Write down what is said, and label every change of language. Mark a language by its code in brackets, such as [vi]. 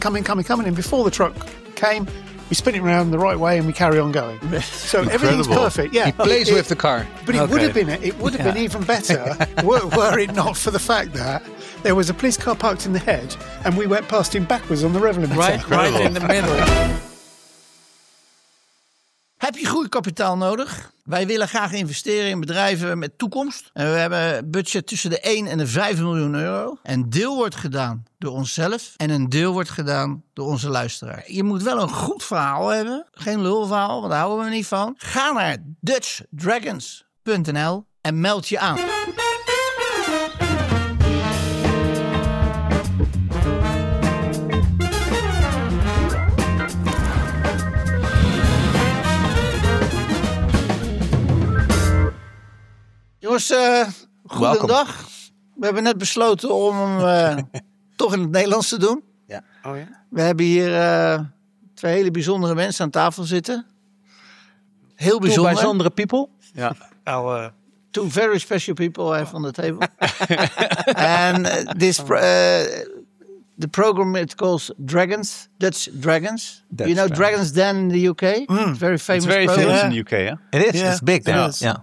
[en] And before the truck came, we spin it around the right way and we carry on going. So everything's perfect. Yeah, plays with the car. But it would have been even better were it not for the fact that there was a police car parked in the head and we went past him backwards on the rev limiter. Right in the middle. [nl] Heb je groeikapitaal nodig? Wij willen graag investeren in bedrijven met toekomst. En we hebben een budget tussen de 1 en de 5 miljoen euro. Een deel wordt gedaan door onszelf en een deel wordt gedaan door onze luisteraar. Je moet wel een goed verhaal hebben. Geen lulverhaal, want daar houden we niet van. Ga naar DutchDragons.nl en meld je aan. Jongens, goedendag. We hebben net besloten om toch in het Nederlands te doen. Ja. Oh ja? We hebben hier twee hele bijzondere mensen aan tafel zitten. Heel bijzonder. [en] Two [nl] bijzondere [en] people. [nl] Ja. [en] Two very special people have on the table. And this the program, it calls Dragons, Dutch Dragons. Dutch, you know, Dragons Den in the UK? Mm. It's very famous. It's very program. Famous in the UK, yeah? It is. Yeah. It's big there. It yeah.